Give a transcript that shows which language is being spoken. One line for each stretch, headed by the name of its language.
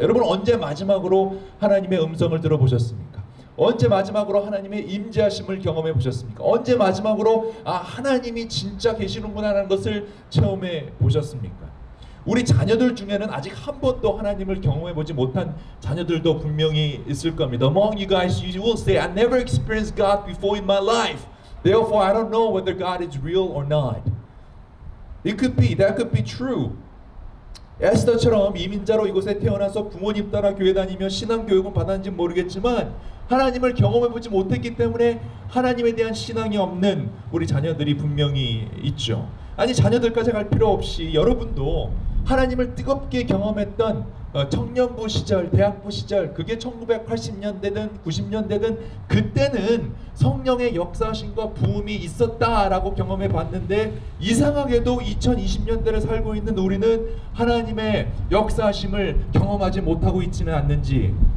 Korean: 여러분 언제 마지막으로 하나님의 음성을 들어보셨습니까? 언제 마지막으로 하나님의 임재하심을 경험해 보셨습니까? 언제 마지막으로 하나님이 진짜 계시는구나라는 것을 체험해 보셨습니까? 우리 자녀들 중에는 아직 한 번도 하나님을 경험해 보지 못한 자녀들도 분명히 있을 겁니다.
English: Among you guys, you will say, I never experienced God before in my life. Therefore, I don't know whether God is real or not. It could be, that could be true.
Korean: 에스더처럼 이민자로 이곳에 태어나서 부모님 따라 교회 다니며 신앙 교육은 받았는지 모르겠지만 하나님을 경험해보지 못했기 때문에 하나님에 대한 신앙이 없는 우리 자녀들이 분명히 있죠. 아니 자녀들까지 갈 필요 없이 여러분도 하나님을 뜨겁게 경험했던 청년부 시절, 대학부 시절, 그게 1980년대든 90년대든 그때는 성령의 역사하심과 부음이 있었다라고 경험해봤는데 이상하게도 2020년대를 살고 있는 우리는 하나님의 역사하심을 경험하지 못하고 있지는 않는지